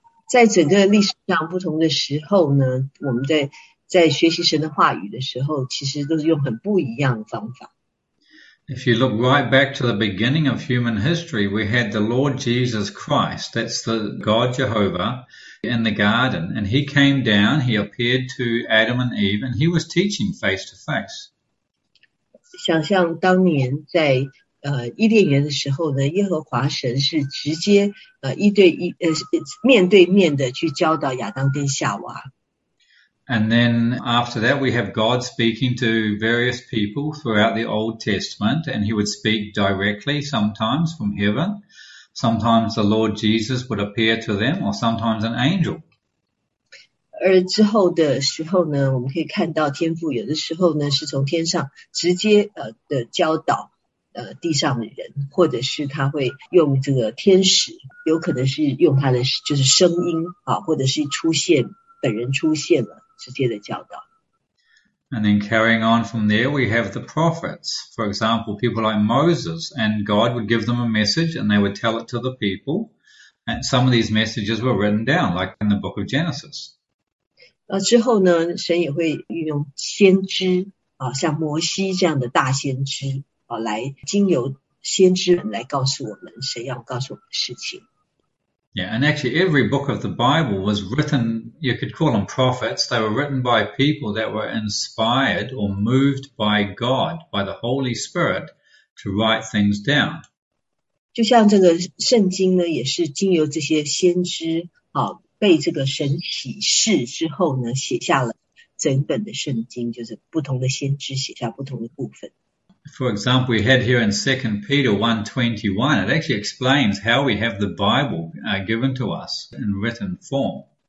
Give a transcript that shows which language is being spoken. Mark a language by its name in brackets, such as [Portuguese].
[Chinese] 在整个历史上不同的时候呢，我们在学习神的话语的时候，其实都是用很不一样的方法。 [English] If you look right back to the beginning of human history, we had the Lord Jesus Christ, that's the God Jehovah, in the garden. And he came down, he appeared to Adam and Eve, and he was teaching face to face. [Chinese] 想象当年在。伊甸园的时候呢，耶和华神是直接一对一面对面的去教导亚当跟夏娃。 [English] And then after that, we have God speaking to various people throughout the Old Testament, and He would speak directly sometimes from heaven. Sometimes the Lord Jesus would appear to them, or sometimes an angel. [Chinese] 而之后的时候呢，我们可以看到天父有的时候呢是从天上直接的教导。地上的人，或者是他会用这个天使，有可能是用他的就是声音啊，或者是出现，本人出现了，直接的教导。 [English] And then carrying on from there, we have the prophets. For example, people like Moses, and God would give them a message and they would tell it to the people. And some of these messages were written down, like in the book of Genesis. [Chinese] 之后呢，神也会运用先知啊，像摩西这样的大先知。来经由先知们来告诉我们谁要告诉我们的事情。 [English] Yeah, and actually every book of the Bible was written, you could call them prophets. They were written by people that were inspired or moved by God, by the Holy Spirit, to write things down. [Chinese] 就像这个圣经呢，也是经由这些先知被这个神启示之后呢，写下了整本的圣经，就是不同的先知写下不同的部分。 [English] For example, we had here in 2 Peter 1:21, it actually explains how we have the Bible given to us in written form.